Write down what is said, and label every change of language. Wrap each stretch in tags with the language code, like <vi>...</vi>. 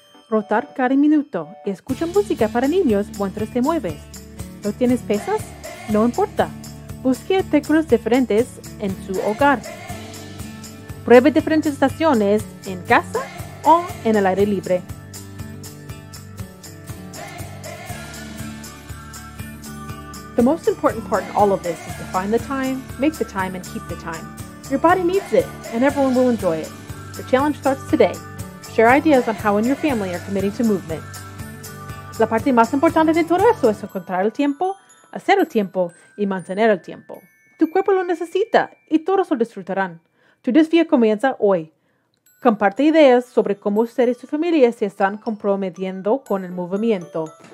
<es>Rotar cada minuto y escucha música para niños mientras te mueves. ¿No tienes pesas? No importa. Busque artículos diferentes en su hogar. Pruebe diferentes estaciones en casa o en el aire libre.</es> <en>The most important part in all of this is to find the time, make the time, and keep the time. Your body needs it, and everyone will enjoy it. The challenge starts today. Share ideas on how in your family are committing to movement.</en> <es>La parte más importante de todo eso es encontrar el tiempo, hacer el tiempo, y mantener el tiempo. Tu cuerpo lo necesita, y todos lo disfrutarán. Tu desafío comienza hoy. Comparte ideas sobre cómo usted y su familia se están comprometiendo con el movimiento.</es>